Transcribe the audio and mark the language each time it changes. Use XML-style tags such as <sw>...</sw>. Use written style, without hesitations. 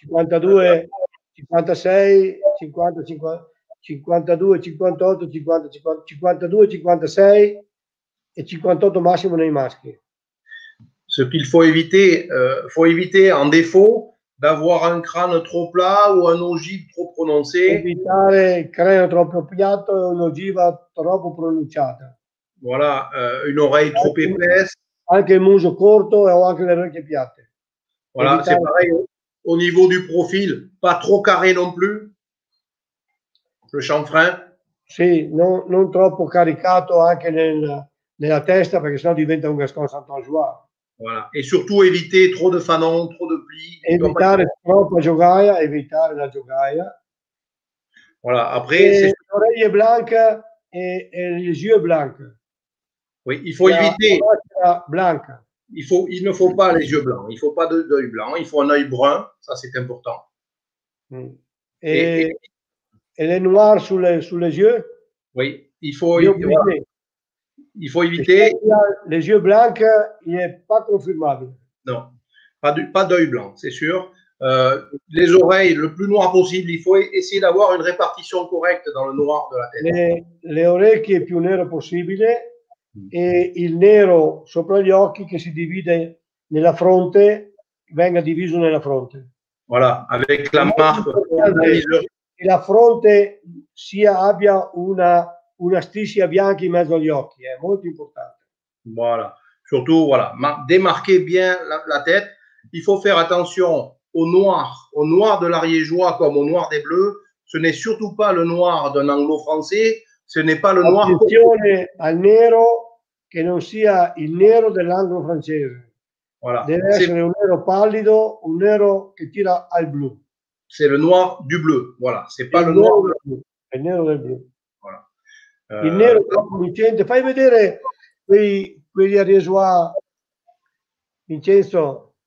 <fr>52, 56, 50, 52, 58 maximum dans les masques. Ce qu'il faut éviter en défaut, d'avoir un crâne trop plat ou un ogive trop prononcé.</fr> <it>Evitare il crâne troppo piatto e un'ogiva troppo pronunciata.</it> <fr>Voilà, une oreille trop épaisse.</fr> <it>Anche il muso corto e ho anche le orecchie piatte. Voilà, evitare...</it> <fr>c'est pareil au niveau du profil, pas trop carré non plus. Le chanfrein.</fr> <it>Sì, non troppo caricato anche nella testa, perché sennò diventa un Gascon Saint-Angeois.</it> <fr>Voilà.</fr> <it>E soprattutto evitare troppo fanon, troppo pli. Evitare troppa giogaia, evitare la giogaia.</it> <fr>Voilà. Après, e c'est... l'oreille blanca e les yeux blancs. Oui, il faut éviter.</fr> <it>La faccia blanca.</it> <fr>Il ne faut pas les yeux blancs, il faut pas d'œil blanc, il faut un œil brun, ça c'est important. Et les noirs sous les yeux? Oui, il faut éviter. Les yeux blancs, il n'est pas confirmable. Non, pas d'œil blanc, c'est sûr. Les oreilles, le plus noir possible, il faut essayer d'avoir une répartition correcte dans le noir de la tête. Les oreilles les plus nero possible.</fr> <it>E il nero sopra gli occhi che si divide nella fronte, venga diviso nella fronte.</it> <fr>Voilà, avec la marque.</fr> <it>Che la fronte abbia una striscia bianca in mezzo agli occhi, è molto importante.</it> <fr>Voilà, surtout voilà, ma démarquer bien la tête. Il faut faire attention au noir de l'Ariégeois comme au noir des Bleus. Ce n'est surtout pas le noir d'un anglo-français. Ce n'est pas le noir.</fr> <it>Attenzione al nero, che non sia il nero dell'anglo-francese.</it> <fr>Voilà.</fr> <it>Deve essere un nero pallido, un nero che tira al blu.</it> <fr>C'est le noir du bleu. Voilà. C'est pas le noir</fr> <it>del blu. È il nero del blu.</it> <fr>Voilà.</fr> <it>Il nero troppo vincente. Fai vedere quegli Ariégeois, Vincenzo.</it>